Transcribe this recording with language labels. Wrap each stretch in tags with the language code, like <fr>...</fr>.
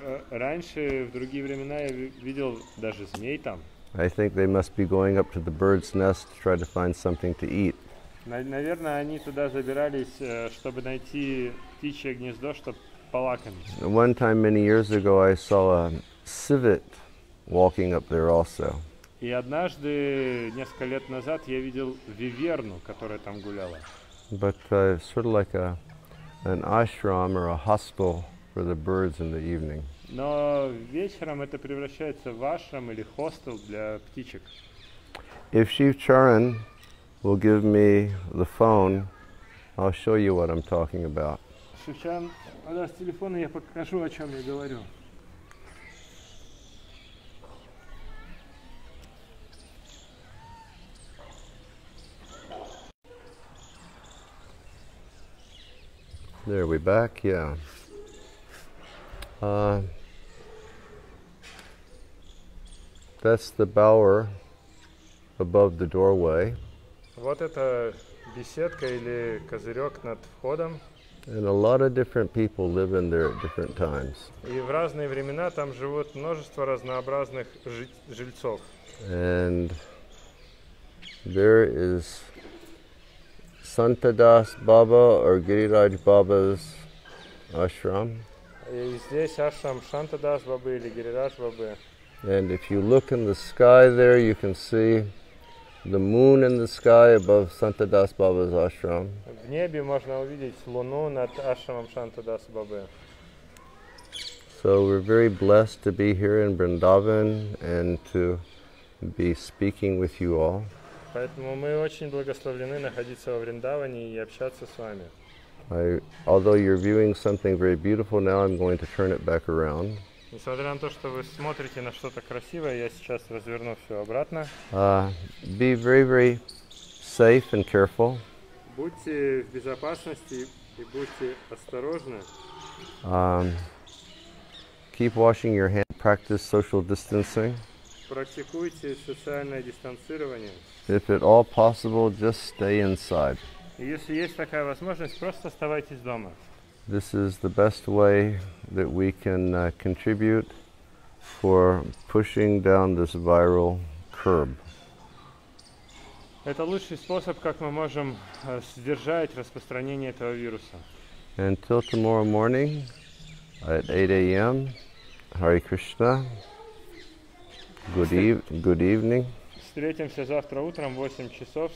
<ru>Раньше в другие времена я видел даже змей там.</ru> <en>I think they must be going up to the bird's nest to try to find something to eat.</en> <ru>Наверное, они туда забирались, чтобы найти птичье гнездо, чтобы полакомиться.</ru> <en>One time many years ago I saw a civet walking up there also.</en> <ru>И однажды, несколько лет назад, я видел виверну, которая там гуляла.</ru> <en>But sort of like an ashram or a hostel for the birds in the evening.</en> <ru>Но вечером это превращается в ашрам или хостел для птичек.</ru> <en>If Shiv Charan will give me the phone, I'll show you what I'm talking about.</en> <ru>Shiv Charan, подаст телефон, и я покажу, о чем я говорю.</ru> <en>There we back, yeah. That's the bower above the doorway.</en> <ru>Вот это беседка или козырек над входом.</ru> <en>And a lot of different people live in there at different times.</en> <ru>И в разные времена там живут множество разнообразных жильцов.</ru> <en>And there is Santadas Baba or Giriraj Baba's ashram.</en> <ru>И здесь ашрам Шантадас Бабы или Гирирадж Бабы.</ru> <en>And if you look in the sky there, you can see the moon in the sky above Santadas Baba's ashram.</en> <ru>В небе можно увидеть луну над ашрамом Шантадас Бабы.</ru> <en>So we're very blessed to be here in Vrindavan and to be speaking with you all.</en> <ru>Поэтому мы очень благословлены находиться во Вриндаване и общаться с вами.</ru> <en>Although you're viewing something very beautiful now, I'm going to turn it back around.</en> <ru>Несмотря на то, что вы смотрите на что-то красивое, я сейчас разверну все обратно.</ru> <en>Be very, very safe and careful.</en> <ru>Будьте в безопасности и будьте осторожны.</ru> <en>Keep washing your hands. Practice social distancing.</en> <ru>Практикуйте социальное дистанцирование.</ru> <en>If at all possible, just stay inside.</en> <ru>Если есть такая возможность, просто оставайтесь дома.</ru> <en>This is the best way that we can contribute for pushing down this viral curb.</en> <ru>Это лучший способ, как мы можем сдержать распространение этого вируса.</ru> <en>Until tomorrow morning at 8 a.m. Hare Krishna. Good evening.</en> <ru>Встретимся завтра утром в 8 часов.</ru>